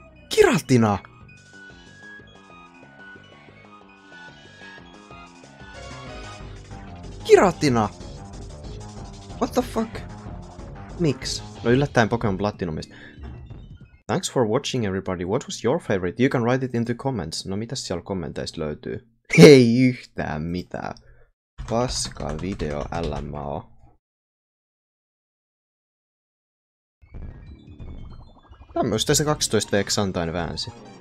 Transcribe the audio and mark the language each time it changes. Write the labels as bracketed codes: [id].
[en] Giratina! Giratina! What the fuck? [fi] miksi? No yllättäen Pokemon Platinumista. [en] Thanks for watching everybody. What was your favorite? You can write it in the comments. [fi] No mitäs siellä kommenteista löytyy? Ei yhtään mitään. Paska video LMAO. Tämmöstä se 12V Xantain väänsi.